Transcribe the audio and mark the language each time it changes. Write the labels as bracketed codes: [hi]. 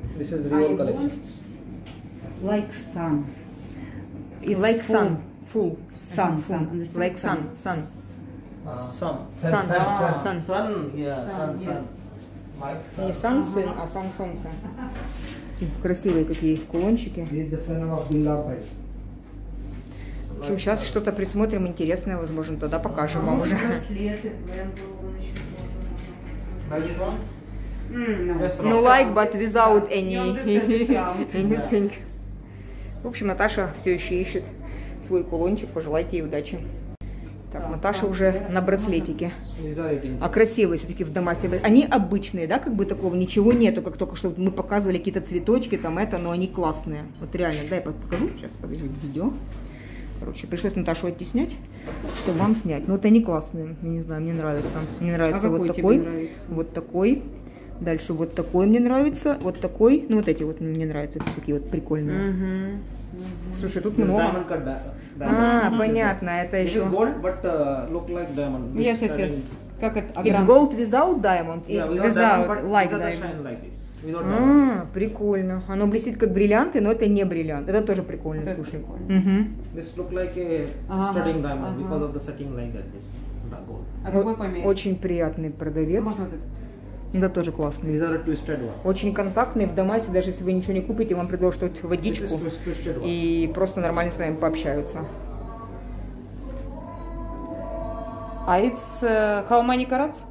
[en] This is real collection. Like sun. It's like full. Sun. Full. Sun. Sun. Understand? Like sun. Sun. Sun. Sun. Sun. Sun. Yeah. Sun. Sun. Like sun. [ru] Не [en] sun, [ru] а [en] sun, [ru] солнце. Красивые какие кулончики. В общем, сейчас что-то присмотрим интересное, возможно, тогда покажем вам уже. Браслеты, бленду, он еще должен. [en] No like, but without any anything. [ru] В общем, Наташа все еще ищет свой кулончик, пожелайте ей удачи. Так, Наташа уже на браслетике. А красивые все-таки в Дамасе. Они обычные, да, как бы такого ничего нету, как только что мы показывали какие-то цветочки, там это, но они классные. Вот реально, дай покажу, сейчас подожди видео. Короче, пришлось Наташу оттеснять, чтобы вам снять. Но вот они классные, я не знаю, мне нравится. Мне нравится вот такой. Вот такой. Дальше вот такой мне нравится. Вот такой. Ну вот эти вот мне нравятся, все такие вот прикольные. Слушай, тут много. Понятно, это еще. [en] It is gold, but look like diamond. Yes, yes, yes. [ru] Как это? [en] It's gold without diamond. Yeah, without diamond, but without a shine like this. [ru] Прикольно. Оно блестит как бриллианты, но это не бриллиант. Это тоже прикольно. [en] This look like a studding diamond because of the setting like that. [ru] А какой поменьше? Очень приятный продавец. Да, тоже классный. [en] These are a twisted one. [ru] Очень контактный. В Дамасе, даже если вы ничего не купите, вам предложат вот водичку и просто нормально с вами пообщаются. [en] А it's how many carats?